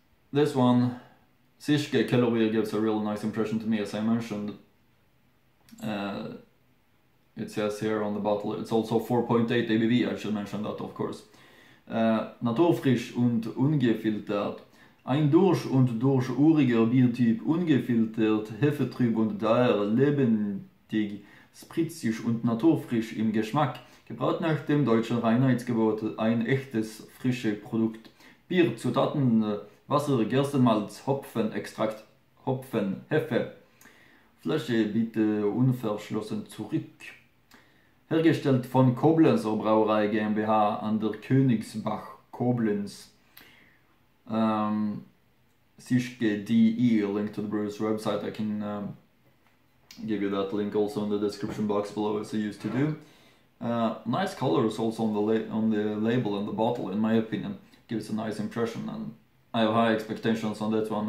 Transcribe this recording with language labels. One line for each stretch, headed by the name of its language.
English: This one, Zischke Kellerbier, gives a really nice impression to me, as I mentioned. It says here on the bottle, it's also 4.8 ABV, I should mention that, of course.
German: Naturfrisch und ungefiltert. Ein durch und durch uriger Biertyp, ungefiltert, hefetrüb und daher lebendig, spritzig und naturfrisch im Geschmack. Gebraut nach dem deutschen Reinheitsgebot, ein echtes, frisches Produkt. Bier, Zutaten, Wasser, Gerstenmalz, Hopfen, Extrakt, Hopfen, Hefe. Flasche bitte unverschlossen zurück. Hergestellt von Koblenz Brauerei GmbH an der Königsbach Koblenz.
English: Zischke DE, link to the brewer's website. I can give you that link also in the description box below, as I used to do. Nice colors also on the label and the bottle, in my opinion. Gives a nice impression, and I have high expectations on that one.